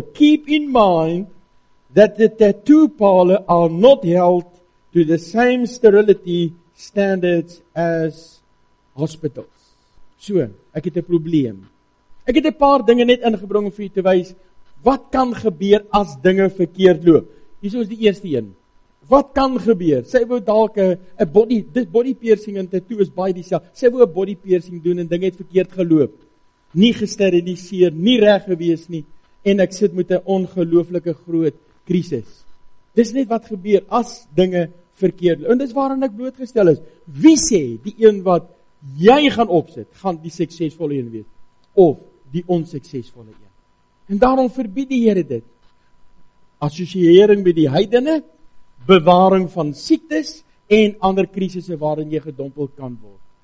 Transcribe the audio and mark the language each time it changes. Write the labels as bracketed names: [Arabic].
[English] Keep in mind that the tattoo parlor are not held to the same sterility standards as hospitals. [Afrikaans] So, ek het 'n probleem. Ek het 'n paar dinge net ingebring vir u te wys. Wat kan gebeur as dinge verkeerd loop? Hier is die eerste een. Wat kan gebeur? Sy wou dalk 'n body, dit body piercing en tattoo is baie dieselfde. Sy wou 'n body piercing doen en ding het verkeerd geloop. Nie gesteriliseer, nie reg gewees nie en ek sit met 'n ongelooflike groot krisis. Dis net wat gebeur as dinge verkeerd loop. En dis waaraan ek blootgestel is. Wie sê die een wat jy gaan opsit, gaan die suksesvolle een wees of die onsuksesvolle een? En daarom verbied die Here dit. Assosiering met die heidene, bewaring van siektes en ander krisisse waarin jy gedompel kan word.